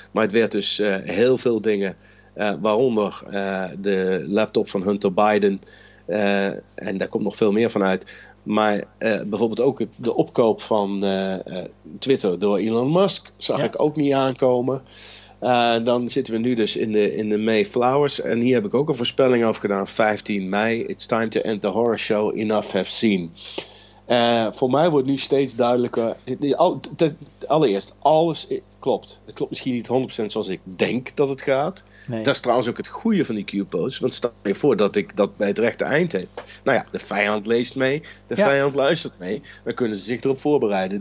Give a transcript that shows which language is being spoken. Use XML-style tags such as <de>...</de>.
<nl>Maar het werd dus heel veel dingen, waaronder de laptop van Hunter Biden. En daar komt nog veel meer van uit. Maar bijvoorbeeld ook de opkoop van Twitter door Elon Musk zag ik ook niet aankomen. Dan zitten we nu dus in de Mayflowers. En hier heb ik ook een voorspelling over gedaan.</nl> <en>15 mei, it's time to end the horror show, enough have seen.</en> <nl>Voor mij wordt nu steeds duidelijker. Allereerst, alles klopt. Het klopt misschien niet 100% zoals ik denk dat het gaat. Nee. Dat is trouwens ook het goede van die Q-post. Want stel je voor dat ik dat bij het rechte eind heb. Nou ja, de vijand leest mee. De vijand luistert mee. Dan kunnen ze zich erop voorbereiden.</nl>